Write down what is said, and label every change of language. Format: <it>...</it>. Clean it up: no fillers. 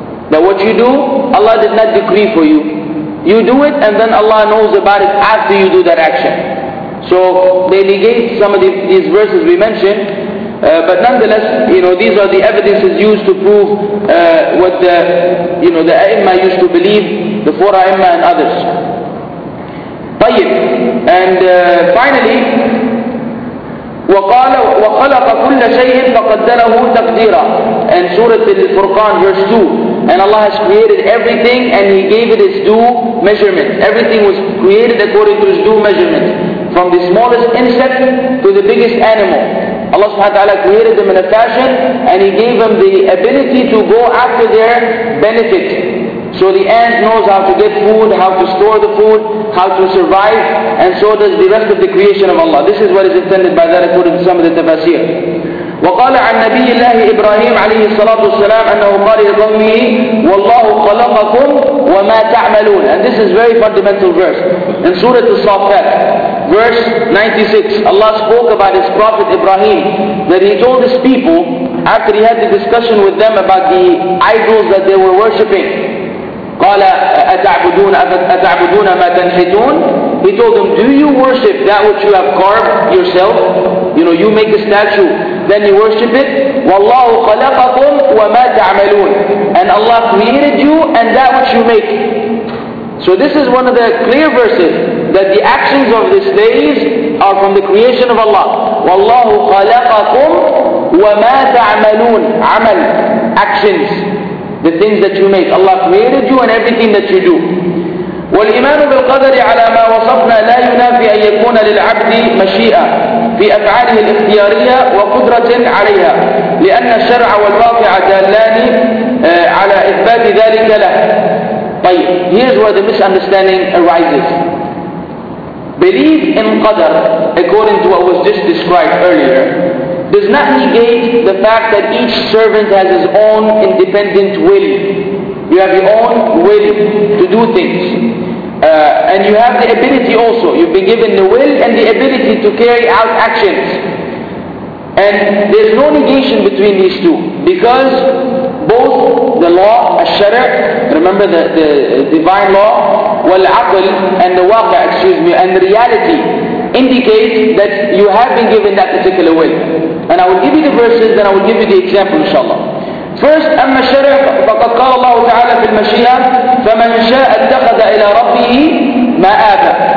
<en>That what you do, Allah did not decree for you. You do it and then Allah knows about it after you do that action. So they negate some of these verses we mentioned, but nonetheless, you know, these are the evidences used to prove what the, you know, the a'imma used to believe, the four a'imma and others.</en> <ar>طيب.</ar> <en>And finally,</en> <ar>وَخَلَقَ كُلَّ شَيْءٍ فَقَدَّرَهُ تَقْدِيرًا.</ar> <en>And Surah Al-Furqan verse 2, and Allah has created everything and He gave it its due measurement. Everything was created according to its due measurement. From the smallest insect to the biggest animal. Allah subhanahu wa ta'ala created them in a fashion and He gave them the ability to go after their benefit. So the ant knows how to get food, how to store the food, how to survive, and so does the rest of the creation of Allah. This is what is intended by that according to some of the tafsir.</en> <ar>وقال عن نبي الله إبراهيم عليه الصلاة والسلام أنه قال لقومه والله خلقكم وما تعملون.</ar> <en>And this is very fundamental verse in Surah As-Saffat, verse 96. Allah spoke about His prophet Ibrahim, that He told His people after He had the discussion with them about the idols that they were worshipping.</en> <ar>قال أتعبدون ما تنحتون.</ar> <en>He told them, do you worship that which you have carved yourself? You know, you make a statue, then you worship it.</en> <ar>وَاللَّهُ خَلَقَكُمْ وَمَا تَعْمَلُونَ.</ar> <en>And Allah created you and that which you make. So this is one of the clear verses, that the actions of the slaves are from the creation of Allah.</en> <ar>وَاللَّهُ خَلَقَكُمْ وَمَا تَعْمَلُونَ.</ar> <en>عَمَل, actions, the things that you make. Allah created you and everything that you do.</en> <ar>وَالْإِمَانُ بِالْقَدَرِ عَلَى مَا وَصَفْنَا لَا يُنَافِي أَنْ يَكُونَ لِلْعَبْدِ مَشِيئَةً في أفعاله الاختيارية وقدرة عليها، لأن الشرع والواقع دالان على إثبات ذلك له. طيب,</ar> <en>here's where the misunderstanding arises. Belief in Qadr, according to what was just described earlier, does not negate the fact that each servant has his own independent will. You have your own will to do things. And you have the ability also. You've been given the will and the ability to carry out actions. And there's no negation between these two. Because both the law, al-shara, remember the divine law, wal-aql, and the waqa, excuse me, and the reality, indicate that you have been given that particular will. And I will give you the verses, then I will give you the example, inshallah. First,</en> <ar>أما الشرع فقد قال الله تعالى في المشيئة فمن شاء اتخذ إلى ربه مآبا.</ar>